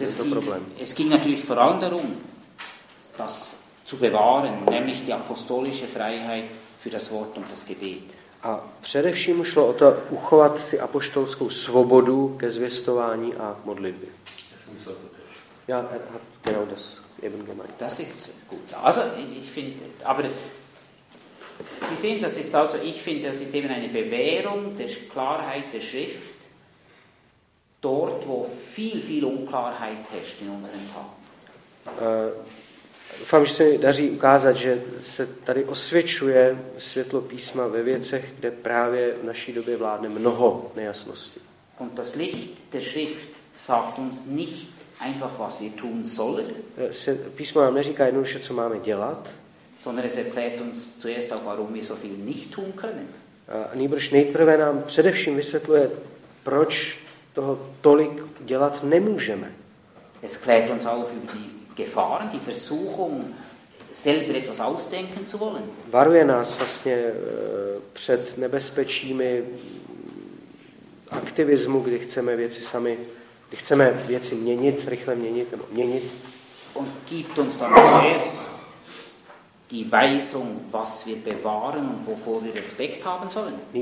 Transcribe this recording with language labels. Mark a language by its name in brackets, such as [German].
[German] problém. Es ging natürlich vor allem darum, dass zu bewahren, nämlich die apostolische Freiheit für das Wort und das Gebet. [Czech] A především šlo o to uchovat si apoštolskou svobodu ke zvěstování a modlitbě. Já [German] genau das eben gemeint. Das ist gut. Also ich finde, aber Sie sehen, das ist also, ich finde, das ist eben eine Bewährung der Klarheit der Schrift dort, wo viel, viel Unklarheit herrscht in unseren Tagen. [Czech] Doufám, že se mi daří ukázat, že se tady osvědčuje světlo písma ve věcech, kde právě v naší době vládne mnoho nejasností. [German] Und das Licht der Schrift sagt uns nicht einfach, was wir tun sollen. [Czech] Písmo nám neříká jednoduše, co máme dělat. [German] Sondern es erklärt uns zuerst auch, warum wir so viel nicht tun können. [Czech] Nýbrž nejprve nám především vysvětluje, proč toho tolik dělat nemůžeme. [German] Es klärt uns auf über die Gefahren, die Versuchung, selber etwas ausdenken zu wollen. [Czech] Varuje nás vlastně před nebezpečími aktivismu, kdy chceme věci sami, kdy chceme věci měnit, rychle měnit, nebo měnit. [German] Und gibt uns dann zuerst die Weisung, was wir bewahren und wovor wir Respekt haben sollen.